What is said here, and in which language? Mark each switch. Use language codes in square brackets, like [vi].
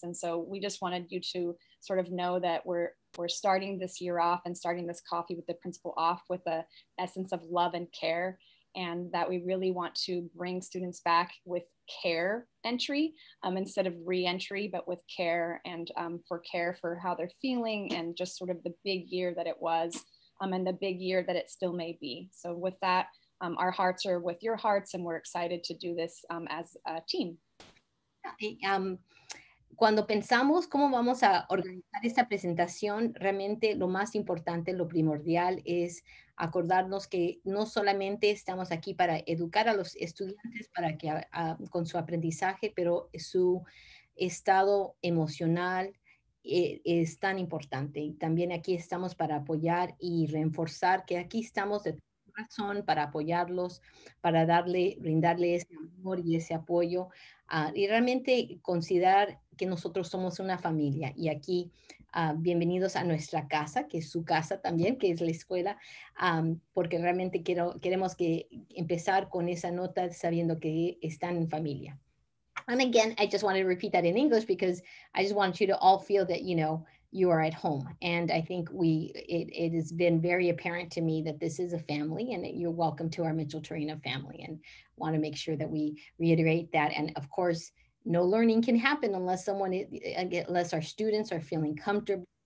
[en] And so we just wanted you to sort of know that we're starting this year off and starting this coffee with the principal off with a essence of love and care, and that we really want to bring students back with care entry instead of re-entry, but with care and for care for how they're feeling and just sort of the big year that it was and the big year that it still may be. So with that, our hearts are with your hearts, and we're excited to do this as a team. [es] Cuando pensamos cómo vamos a organizar esta presentación, realmente lo más importante, lo primordial, es acordarnos que no solamente estamos aquí para educar a los estudiantes para que con su aprendizaje, pero su estado emocional es tan importante. Y también aquí estamos para apoyar y reforzar que aquí estamos de corazón para apoyarlos, para brindarle ese amor y ese apoyo, y realmente considerar que nosotros somos una familia. Y aquí, bienvenidos a nuestra casa, que es su casa también, que es la escuela, porque realmente queremos que empezar con esa nota sabiendo que están en familia. [en] And again, I just wanted to repeat that in English because I just want you to all feel that, you know, you are at home. And I think it has been very apparent to me that this is a family and that you're welcome to our Micheltorena family, and want to make sure that we reiterate that. And of course, no learning can happen unless our students are feeling comfortable.